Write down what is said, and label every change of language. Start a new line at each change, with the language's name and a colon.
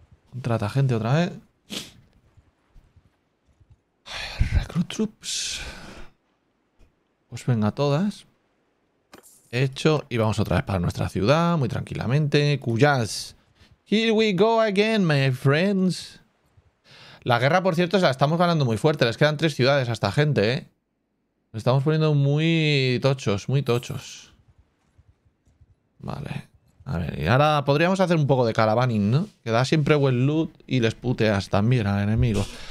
Spanish: Contrata gente otra vez.
English: Recruit troops.
Spanish: Pues venga, todas. Hecho, y vamos otra vez para nuestra ciudad, muy tranquilamente. Cuyas.
English: Here we go again, my friends.
Spanish: La guerra, por cierto, la estamos ganando muy fuerte. Les quedan 3 ciudades a esta gente, ¿eh? Nos estamos poniendo muy tochos, muy tochos. Vale. A ver, y ahora podríamos hacer un poco de caravaning, ¿no? Que da siempre buen loot y les puteas también al enemigo.